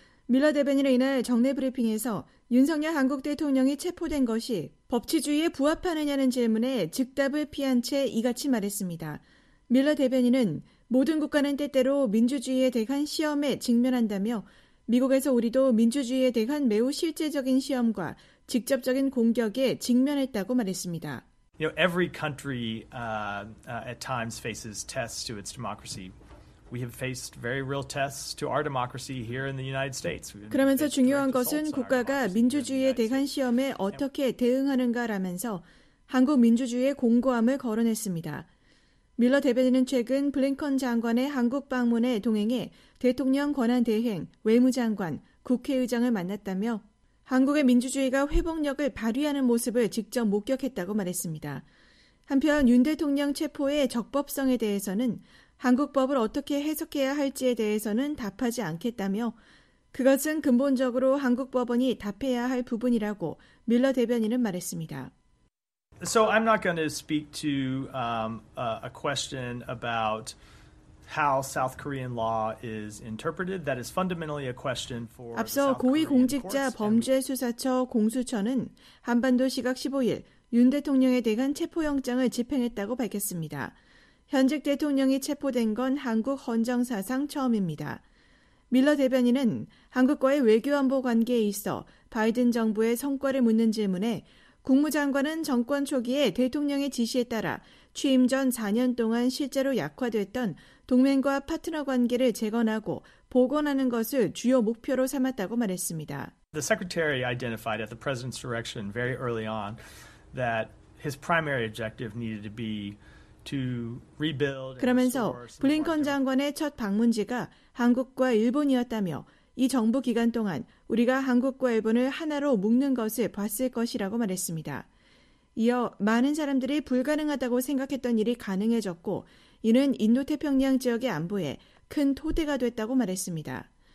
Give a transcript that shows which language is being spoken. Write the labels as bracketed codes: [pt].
[ko] 밀러 대변인은 이날 정례 브리핑에서 윤석열 한국 대통령이 체포된 것이 법치주의에 부합하느냐는 질문에 즉답을 피한 채 이같이 말했습니다. 밀러 대변인은 모든 국가는 때때로 민주주의에 대한 시험에 직면한다며 미국에서 우리도 민주주의에 대한 매우 실제적인 시험과 직접적인 공격에 직면했다고 말했습니다. [en] You know, every country at times faces tests to its democracy. We have faced very real tests to our democracy here in the United States. [ko] 그러면서 중요한 것은 국가가 민주주의에 대한 시험에 어떻게 대응하는가라면서 한국 민주주의의 공고함을 거론했습니다. 밀러 대변인은 최근 블링컨 장관의 한국 방문에 동행해 대통령 권한대행, 외무장관, 국회의장을 만났다며 한국의 민주주의가 회복력을 발휘하는 모습을 직접 목격했다고 말했습니다. 한편 윤 대통령 체포의 적법성에 대해서는 한국법을 어떻게 해석해야 할지에 대해서는 답하지 않겠다며 그것은 근본적으로 한국 법원이 답해야 할 부분이라고 밀러 대변인은 말했습니다. [en] So I'm not going to speak to a question about how South Korean law is interpreted. That is fundamentally a question for South Korean courts. [ko] 앞서 고위공직자 범죄수사처 공수처는 한반도 시각 15일 윤 대통령에 대한 체포영장을 집행했다고 밝혔습니다. 현직 대통령이 체포된 건 한국 헌정사상 처음입니다. 밀러 대변인은 한국과의 외교안보 관계에 있어 바이든 정부의 성과를 묻는 질문에 국무장관은 정권 초기에 대통령의 지시에 따라 취임 전 4년 동안 실제로 약화됐던 동맹과 파트너 관계를 재건하고 복원하는 것을 주요 목표로 삼았다고 말했습니다. [en] The Secretary identified at the President's direction very early on that his primary objective needed to be to rebuild. [ko] 그러면서 블링컨 장관의 첫 방문지가 한국과 일본이었다며 이 정부 기간 동안 우리가 한국과 일본을 하나로 묶는 것을 봤을 것이라고 말했습니다. 이어 많은 사람들이 불가능하다고 생각했던 일이 가능해졌고 이는 인도태평양 지역의 안보에 큰 토대가 됐다고 말했습니다.